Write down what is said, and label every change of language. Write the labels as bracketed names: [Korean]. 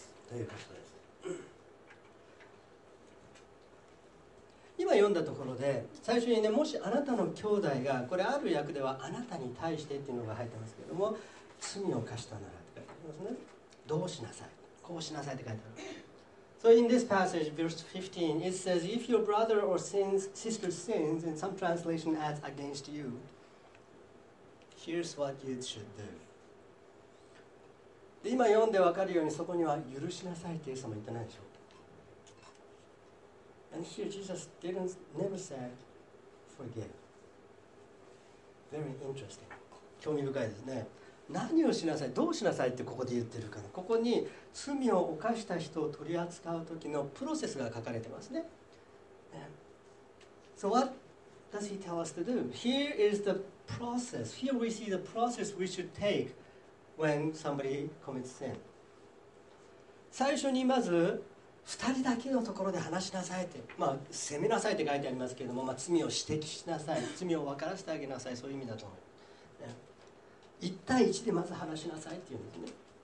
[Japanese] ということです。今読んだところで、最初にね、もしあなたの兄弟が、これある訳ではあなたに対してっていうのが入ってますけれども、罪を犯したならって書いてありますね。どうしなさい、こうしなさいって書いてある。 [English] So in this passage, verse 15, it says, if your brother or sister sins, in some translation adds against you, here's what you should do. [Japanese] 今読んでわかるようにそこには許しなさいってイエス様言ってないでしょ。 [English] And here Jesus never said forgive. Very interesting. [Japanese] 興味深いですね。何をしなさい、どうしなさいってここで言ってるかな。ここに罪を犯した人を取り扱う時のプロセスが書かれてますね。 [English] So what does he tell us to do? Here is the process. Here we see the process we should take when somebody commits sin. [Japanese] 最初にまず2人だけのところで話しなさいって、まあ責めなさいって書いてありますけれども、まあ、罪を指摘しなさい、罪を分からせてあげなさい、そういう意味だと思う。 1対1でまず話しなさいって言うんですね。